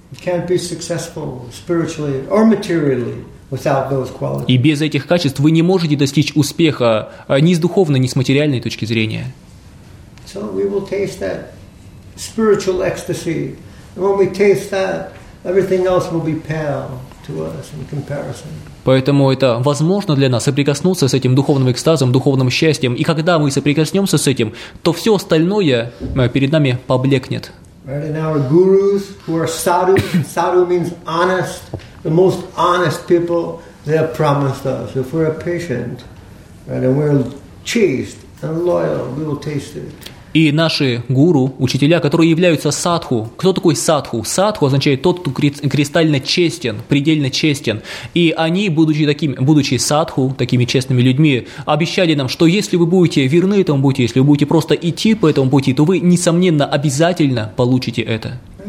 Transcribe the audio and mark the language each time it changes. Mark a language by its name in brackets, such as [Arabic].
[English] You can't be successful spiritually or materially without those qualities. [Russian] И без этих качеств вы не можете достичь успеха ни с духовной, ни с материальной точки зрения. [English] So we will taste that spiritual ecstasy. And when we taste that, everything else will be pale to us in comparison. [Russian] Поэтому это возможно для нас соприкоснуться с этим духовным экстазом, духовным счастьем. И когда мы соприкоснемся с этим, то все остальное перед нами поблекнет. [English] Right, and our gurus, who are sadhu, sadhu means honest, the most honest people, they have promised us. If we're a patient, right, and we're chaste and loyal, we will taste it. [Russian] И наши гуру, учителя, которые являются садху. Кто такой садху? Садху означает тот, кто кристально честен, предельно честен. И они, будучи садху, такими честными людьми, обещали нам, что если вы будете верны этому пути, если вы будете просто идти по этому пути, то вы, несомненно, обязательно получите это.